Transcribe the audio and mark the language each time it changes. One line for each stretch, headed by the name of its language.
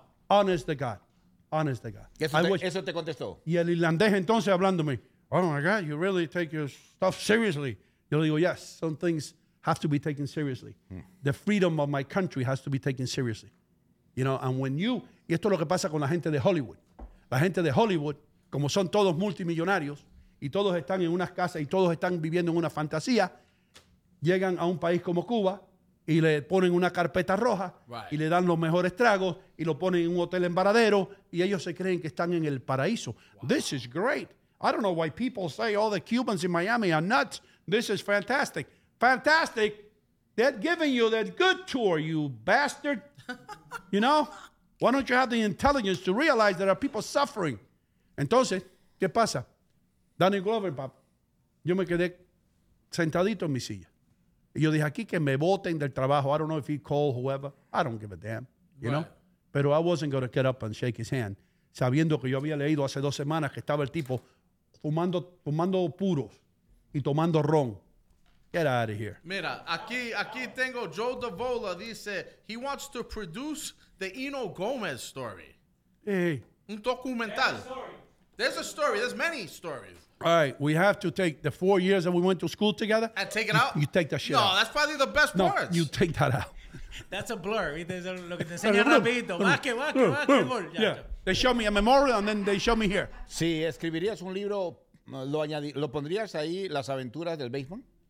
English: Honest to God.
Spanish: Eso te contestó. Y el irlandés entonces hablándome,
English: oh, my God, you really take your stuff seriously.
Spanish: Yo le digo,
English: yes, some things have to be taken seriously. The freedom of my country has to be taken seriously. You know, and when you,
Spanish: y esto es lo que pasa con la gente de Hollywood. La gente de Hollywood, como son todos multimillonarios, y todos están en unas casas y todos están viviendo en una fantasía, llegan a un país como Cuba y le ponen una carpeta roja y le dan los mejores tragos y lo ponen en un hotel en Varadero y ellos se creen que están en el paraíso.
English: This is great. I don't know why people say all the Cubans in Miami are nuts. This is fantastic. Fantastic. They're giving you that good tour, you bastard. You know? Why don't you have the intelligence to realize there are people suffering?
Spanish: Entonces, ¿qué pasa? Danny Glover, papá, yo me quedé sentadito en mi silla. Y yo dije, aquí que me voten del trabajo.
English: I don't know if he called whoever. I don't give a damn. You know?
Spanish: Pero
English: I wasn't going to get up and shake his hand,
Spanish: sabiendo que yo había leído hace dos semanas que estaba el tipo fumando puros y tomando ron.
English: Get out of here.
Spanish: Mira, aquí tengo
English: Joe Davola dice, he wants to produce the Eno Gomez story. Hey.
Spanish: Un documental.
English: There's a story. There's many stories. All right, we have to take the 4 years that we went to school together. And take it out? You take that shit no, out. No, that's probably the best no, parts. No, you take that out. That's a blur. Yeah. They show me a memorial and then they show me here.
Spanish: Si escribirías un libro, lo pondrías ahí, Las Aventuras del Béisbol?